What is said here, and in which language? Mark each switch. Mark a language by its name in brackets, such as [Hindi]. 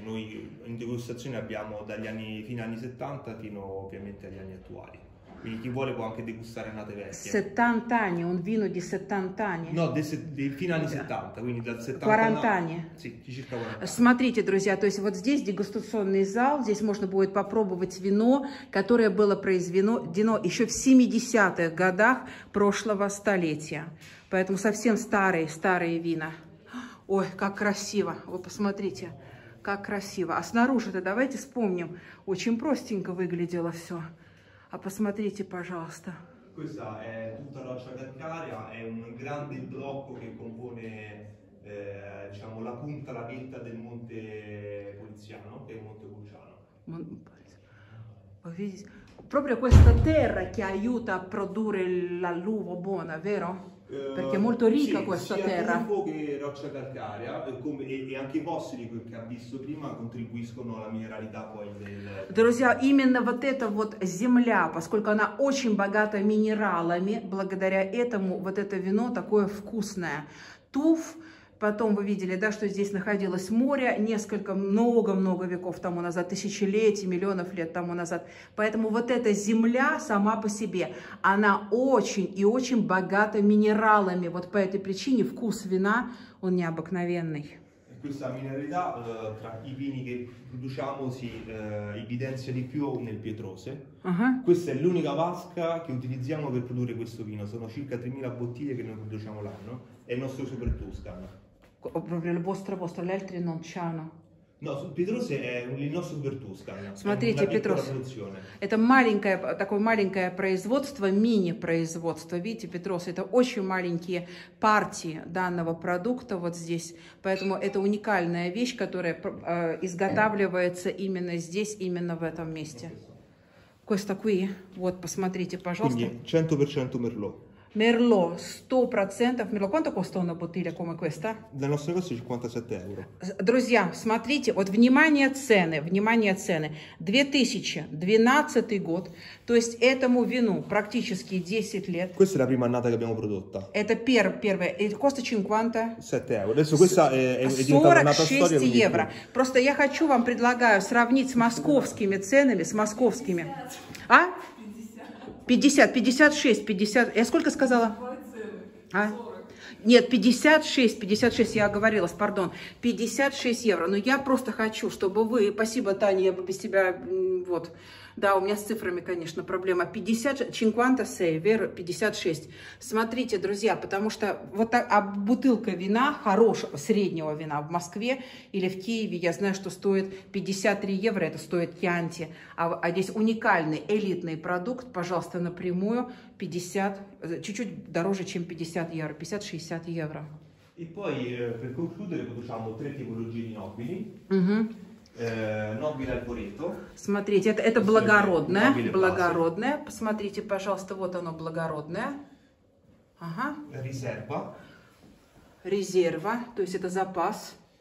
[Italian] Noi in degustazione abbiamo dagli anni fino agli anni 70 fino ovviamente agli anni attuali. Quindi chi vuole può anche degustare annate vecchie. 70 anni, un vino di 70 anni. No, dei fino agli anni 70, quindi dal 70. 40 anni. Sì, circa 40. [Russian] Смотрите, друзья, то есть вот здесь дегустационный зал, здесь можно будет попробовать вино, которое было произведено еще в 70-х годах прошлого столетия. Поэтому совсем старые, старые вина. Ой, как красиво, вы посмотрите, как красиво. А снаружи-то давайте вспомним, очень простенько выглядело все. А посмотрите, пожалуйста. [Italian] Questa è tutta roccia calcarea, è un grande blocco che compone, diciamo, la punta, la vetta del monte Poliziano, che è un monte Pulciano. Proprio questa terra che aiuta a produrre l'uva buona, vero? Perché è molto ricca sì, questa terra. Sì, sia tufo che roccia calcarea e anche i fossili che ha visto prima contribuiscono alla mineralità poi del. [Russian] Друзья, именно вот эта вот земля, поскольку она очень богата минералами, благодаря этому вот это вино такое вкусное. Туф, потом вы видели, да, что здесь находилось море несколько много-много веков тому назад, тысячелетий, миллионов лет тому назад. Поэтому вот эта земля сама по себе, она очень и очень богата минералами. Вот по этой причине вкус вина, он необыкновенный. [Italian] Questa mineralità tra i vini che produciamo si evidenzia di più nel Pietrose. Questa è l'unica vasca che utilizziamo per produrre questo vino. Sono circa 3.000 bottiglie che noi produciamo l'anno. È il nostro super Toscano. Proprio il vostro, gli altri non c'hanno. No, Pietrose è il nostro super Toscano. [Russian] Смотрите, Pietrose. Это маленькое такое маленькое производство, мини-производство. Видите, Pietrose, это очень маленькие партии данного продукта вот здесь. Поэтому это уникальная вещь, которая изготавливается именно здесь, именно в этом месте. [Italian] Questo qui, [Russian] вот посмотрите, пожалуйста. [Italian] Quindi 100% Merlot. Merlo, 100% Merlo. Quanto costa una bottiglia come questa? Nel nostro negozio 57 euro. [Russian] Друзья, смотрите, вот внимание цены, 2012 год, то есть этому вину практически 10 лет. [Italian] Questa è la prima annata che abbiamo prodotta. [Russian] Это первая, и [Italian] costa 57 euro. Adesso questa è diventata una storia. [Russian] 46 евро. Просто я хочу вам предлагаю сравнить с московскими ценами, с московскими. А? 50, 56, 50. Я сколько сказала? А? Нет, 56, 56, я оговорилась, пардон. 56 евро. Но я просто хочу, чтобы вы. Спасибо, Таня, я бы без тебя. Вот. Да, у меня с цифрами, конечно, проблема. 56. Смотрите, друзья, потому что вот так, а бутылка вина, хорошего, среднего вина в Москве или в Киеве, я знаю, что стоит 53 евро, это стоит Кьянти. А здесь уникальный, элитный продукт, пожалуйста, напрямую, 50, чуть-чуть дороже, чем 50 евро, 50-60 евро. [Italian] И poi, per concludere, produciamo tre tipologie di nobili. Nobile arboreto. [Russian] Смотрите, это благородное. Благородное. Посмотрите, пожалуйста, вот оно благородное. Ага. Резерва. Резерва, то есть это запас.